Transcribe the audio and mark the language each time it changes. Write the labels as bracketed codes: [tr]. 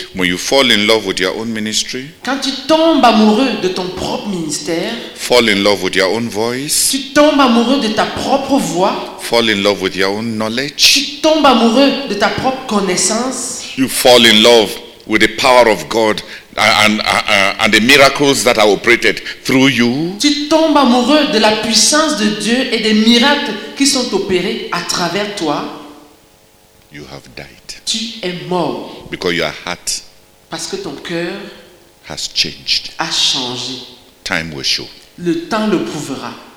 [en] When you fall in love with your own ministry, [fr] quand tu tombes amoureux de ton propre ministère, [en] fall in love with your own voice, [fr] tu tombes amoureux de ta propre voix, [en] fall in love with your own knowledge, [fr] tu tombes amoureux de ta propre connaissance, [en] you fall in love with the power of God and the miracles that are operated through you. [fr] Tu tombes amoureux de la puissance de Dieu et des miracles qui sont opérés à travers toi. [en] You have died. [fr] Tu es mort. [en] Because your heart. [fr] Parce que ton cœur has changed. A changé. [en] Time will show. [fr] Le temps le prouvera.